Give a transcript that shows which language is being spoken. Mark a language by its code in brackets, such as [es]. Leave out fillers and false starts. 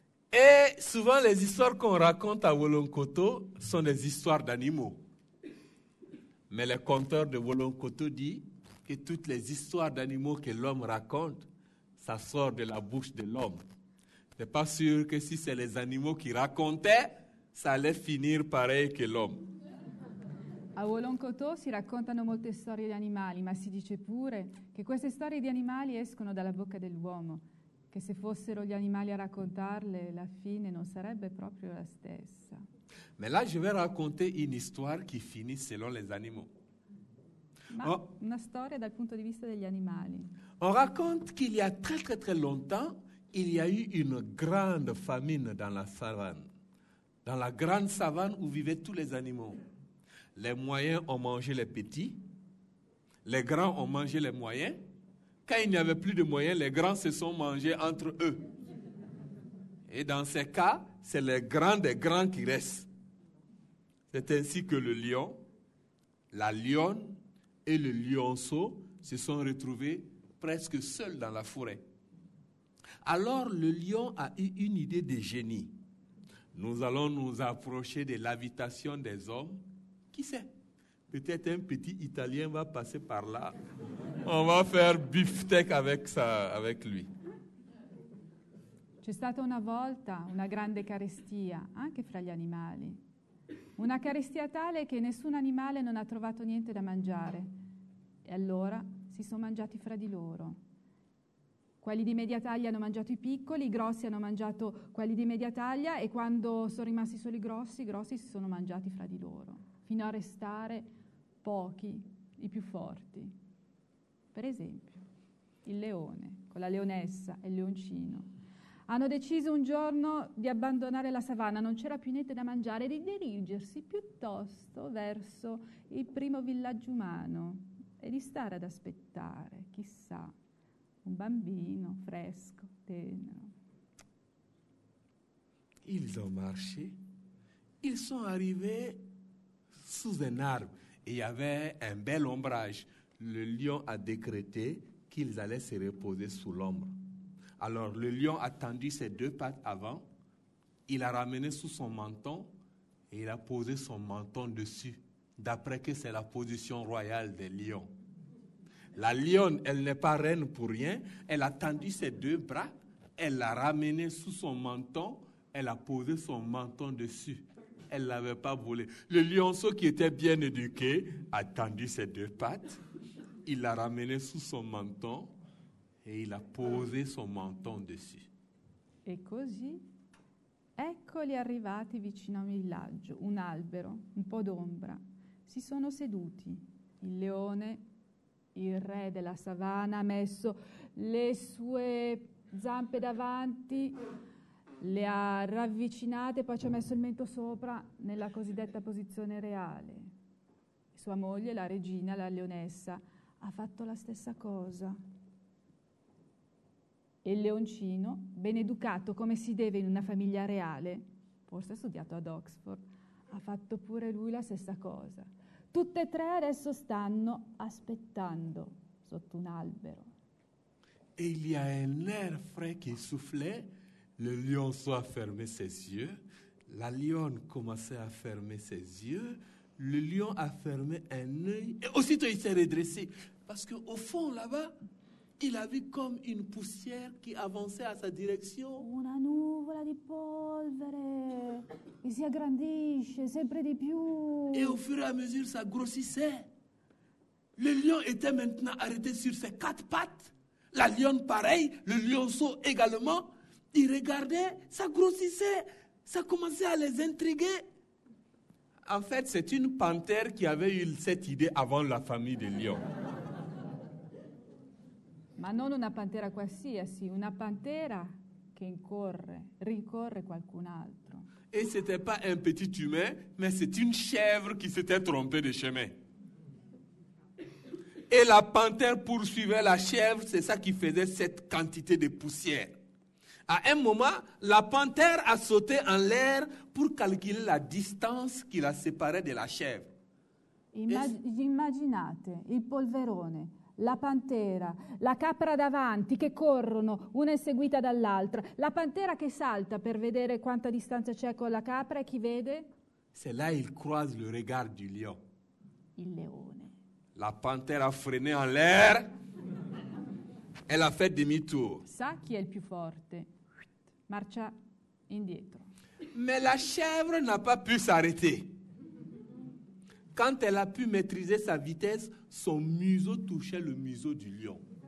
[fr] Et souvent, les histoires qu'on raconte à Wolonkoto sont des histoires d'animaux. Mais le conteur de Wolonkoto dit que toutes les histoires d'animaux que l'homme raconte, ça sort de la bouche de l'homme. Je n'ai pas sûr que si c'est les animaux qui racontaient, ça allait finir pareil que l'homme. [it] A Wolonkoto si raccontano molte storie di animali, ma si dice pure che queste storie di animali escono dalla bocca dell'uomo, che se fossero gli animali a raccontarle, la fine non sarebbe proprio la stessa. [fr] Mais là, je vais raconter une histoire qui finit selon les animaux. [it] Ma una storia dal punto di vista degli animali. [fr] On raconte qu'il y a très très très longtemps, il y a eu une grande famine dans la savane. Dans la grande savane où vivaient tous les animaux. Les moyens ont mangé les petits, les grands ont mangé les moyens. Quand il n'y avait plus de moyens, les grands se sont mangés entre eux. Et dans ces cas, c'est les grands des grands qui restent. C'est ainsi que le lion, la lionne, et le lionceau se sont retrouvés presque seuls dans la forêt. Alors le lion a eu une idée de génie. Nous allons nous approcher de l'habitation des hommes. Qui sait? Peut-être un petit Italien va passer par là. On va faire beefsteak avec lui. [it] C'è stata una volta una grande carestia anche fra gli animali. Una carestia tale che nessun animale non ha trovato niente da mangiare. E allora si sono mangiati fra di loro. Quelli di media taglia hanno mangiato i piccoli, i grossi hanno mangiato quelli di media taglia e quando sono rimasti solo i grossi si sono mangiati fra di loro, fino a restare pochi, i più forti. Per esempio, il leone con la leonessa e il leoncino. Hanno deciso un giorno di abbandonare la savana, non c'era più niente da mangiare, di dirigersi piuttosto verso il primo villaggio umano e di stare ad aspettare, chissà, un bambino fresco, tenero. [fr] Ils ont marché, ils sont arrivés sous un arbre et il y avait un bel ombrage. Le lion a décrété qu'ils allaient se reposer sous l'ombre. Alors le lion a tendu ses deux pattes avant, il a ramené sous son menton et il a posé son menton dessus, d'après que c'est la position royale des lions. La lionne, elle n'est pas reine pour rien, elle a tendu ses deux bras, elle l'a ramené sous son menton, elle a posé son menton dessus, elle ne l'avait pas volé. Le lionceau qui était bien éduqué a tendu ses deux pattes, il l'a ramené sous son menton, et il a posé son menton dessus. [it] E così, eccoli arrivati vicino a un villaggio, un albero, un po' d'ombra. Si sono seduti. Il leone, il re della savana, ha messo le sue zampe davanti, le ha ravvicinate, poi ci ha messo il mento sopra, nella cosiddetta posizione reale. Sua moglie, la regina, la leonessa, ha fatto la stessa cosa. E il leoncino, ben educato come si deve in una famiglia reale, forse ha studiato ad Oxford, ha fatto pure lui la stessa cosa. Tutte e tre adesso stanno aspettando sotto un albero. [fr] E il air frais qui soufflait, le lionceau a fermé ses yeux, la lionne commençait à fermer ses yeux, Le lion a fermé un œil et aussitôt il s'est redressé. Parce qu'au fond, là-bas, il a vu comme une poussière qui avançait à sa direction. [it] Una nuvola di polvere che si aggrandisce sempre di più. [fr] Et au fur et à mesure, ça grossissait. Le lion était maintenant arrêté sur ses quatre pattes. La lionne, pareil. Le lionceau également. Il regardait, ça grossissait. Ça commençait à les intriguer. En fait, c'est une panthère qui avait eu cette idée avant la famille des lions. [it] Ma non una pantera qualsiasi, una pantera che incorre, rincorre qualcun altro. [fr] E c'était pas un petit humain, mais c'est une chèvre qui s'était trompée de chemin. Et la panthère poursuivait la chèvre, c'est ça qui faisait cette quantité de poussière. À un moment, la panthère a sauté en l'air pour calculer la distance qui la séparait de la chèvre. [it] Immaginate il polverone, la pantera, la capra davanti che corrono una inseguita dall'altra, la pantera che salta per vedere quanta distanza c'è con la capra e chi vede? [fr] C'est là il croise le regard du lion. [it] Il leone. [fr] La panthère a freiné en l'air. Elle a fait demi-tour. [it] Sa chi è il più forte. Marcia indietro. [fr] Mais la chèvre n'a pas pu s'arrêter. Quand elle a pu maîtriser sa vitesse, son museau touchait le museau du lion.